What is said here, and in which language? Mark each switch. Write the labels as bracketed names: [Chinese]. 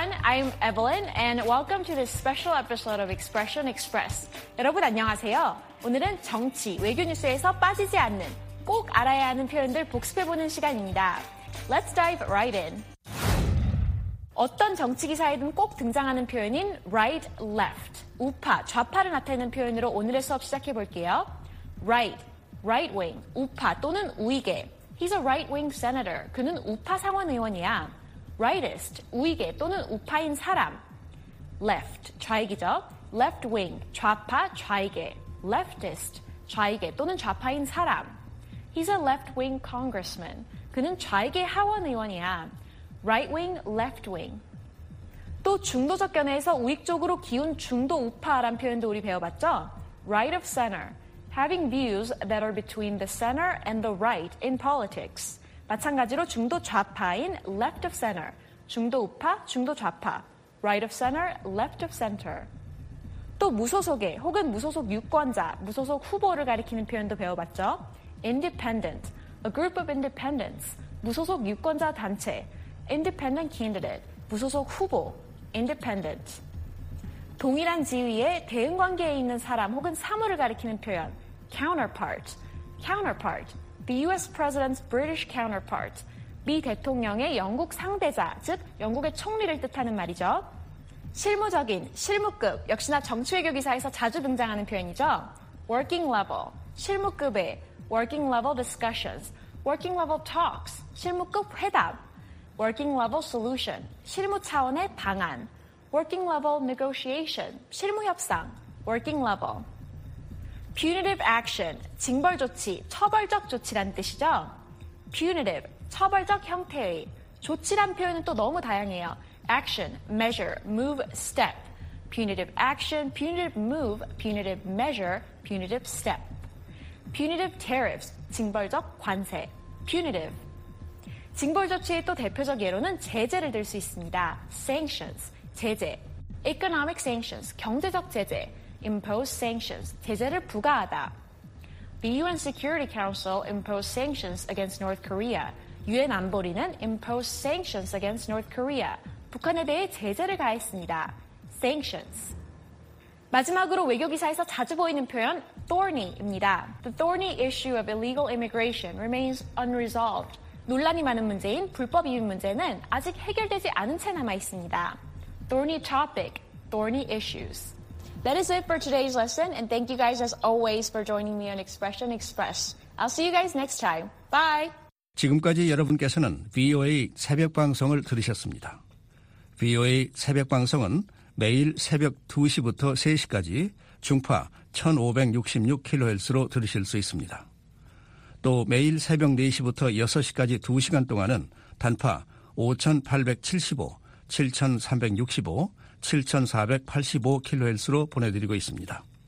[English] I'm Evelyn, and welcome to this special episode of Expression Express. [Korean] 여러분 안녕하세요. 오늘은 정치, 외교 뉴스에서 빠지지 않는 꼭 알아야 하는 표현들 복습해보는 시간입니다. [English] Let's dive right in. [Korean] 어떤 정치 기사에든 꼭 등장하는 표현인 right, left, 우파, 좌파를 나타내는 표현으로 오늘의 수업 시작해볼게요. [English] Right, right wing, [Korean] 우파 또는 우익에. [English] He's a right-wing senator. [Korean] 그는 우파 상원 의원이야. Rightist, 우익에 또는 우파인 사람. Left, 좌익이죠. Left-wing, 좌파, 좌익에. Leftist, 좌익에 또는 좌파인 사람. [English] He's a left-wing congressman. [Korean] 그는 좌익의 하원 의원이야. [English] Right-wing, left-wing. [Korean] 또 중도적 견해에서 우익 쪽으로 기운 중도 우파란 표현도 우리 배워봤죠? [English] Right of center. Having views that are between the center and the right in politics. [Korean] 마찬가지로 중도 좌파인 [English] left of center. [Korean] 중도 우파, 중도 좌파. [English] Right of center, left of center. [Korean] 또 무소속의 혹은 무소속 유권자, 무소속 후보를 가리키는 표현도 배워봤죠? [English] Independent, a group of independents, [Korean] 무소속 유권자 단체. [English] Independent candidate, [Korean] 무소속 후보, [English] independent. [Korean] 동일한 지위에 대응 관계에 있는 사람 혹은 사물을 가리키는 표현, counterpart. [English] Counterpart, the US president's British counterpart. [Korean] 미 대통령의 영국 상대자, 즉 영국의 총리를 뜻하는 말이죠. 실무적인, 실무급, 역시나 정치외교 기사에서 자주 등장하는 표현이죠. [English] Working level, [Korean] 실무급의, [English] working level discussions, working level talks, [Korean] 실무급 회담. [English] Working level solution, [Korean] 실무 차원의 방안. [English] Working level negotiation, [Korean] 실무 협상, [English] working level. Punitive action, [Korean] 징벌 조치, 처벌적 조치란 뜻이죠. Punitive, 처벌적 형태의, 조치란 표현은 또 너무 다양해요. [English] Action, measure, move, step. Punitive action, punitive move, punitive measure, punitive step. Punitive tariffs, [Korean] 징벌적 관세. [English] Punitive. [Korean] 징벌 조치의 또 대표적 예로는 제재를 들 수 있습니다. [English] Sanctions, [Korean] 제재. [English] Economic sanctions, [Korean] 경제적 제재. [English] Impose sanctions, [Korean] 제재를 부과하다. [English] The UN Security Council imposed sanctions against North Korea. [Korean] UN 안보리는 [English] imposed sanctions against North Korea. [Korean] 북한에 대해 제재를 가했습니다. [English] Sanctions. [Korean] 마지막으로 외교기사에서 자주 보이는 표현 thorny입니다. [English] The thorny issue of illegal immigration remains unresolved. [Korean] 논란이 많은 문제인 불법 이민 문제는 아직 해결되지 않은 채 남아있습니다. [English] Thorny topic, thorny issues. That is it for today's lesson, and thank you guys as always for joining me on Expression Express. I'll see you guys next time. Bye! [Korean] 지금까지 여러분께서는 VOA 새벽 방송을 들으셨습니다. VOA 새벽 방송은 매일 새벽 2시부터 3시까지 중파 1566kHz로 들으실 수 있습니다. 또 매일 새벽 4시부터 6시까지 2시간 동안은 단파 5875, 7365, 7485kHz로 보내드리고 있습니다.